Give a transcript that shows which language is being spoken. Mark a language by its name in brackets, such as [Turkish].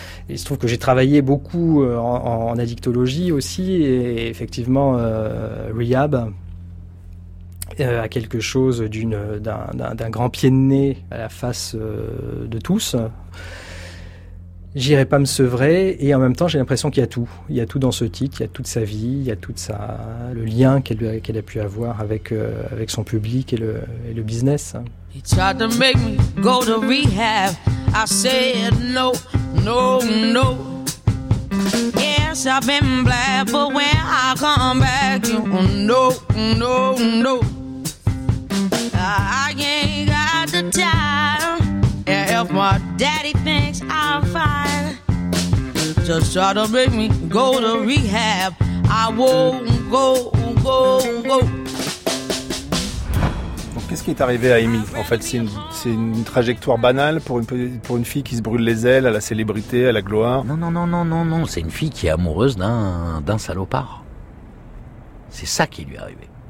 [French] Il se trouve que j'ai travaillé beaucoup en addictologie aussi, et effectivement, Rehab a quelque chose d'un grand pied de nez à la face de tous. J'irai pas me sevrer, et en même temps, j'ai l'impression qu'il y a tout. Il y a tout dans ce titre, il y a toute sa vie, il y a toute le lien qu'elle a pu avoir avec son public et le business. [English] He tried to make me go to rehab. I said no, no, no. Yes, I've been black, but when I come back, no, no, no. I ain't got the time. If my daddy thinks I'm fine, just try to make me go to rehab. I won't go, go, go. [French] Donc, qu'est-ce qui est arrivé à Amy ? En fait, c'est une trajectoire banale pour une fille qui se brûle les ailes à la célébrité, à la gloire. Non, non, non, non, non, non. C'est une fille qui est amoureuse d'un salopard. C'est ça qui lui est arrivé.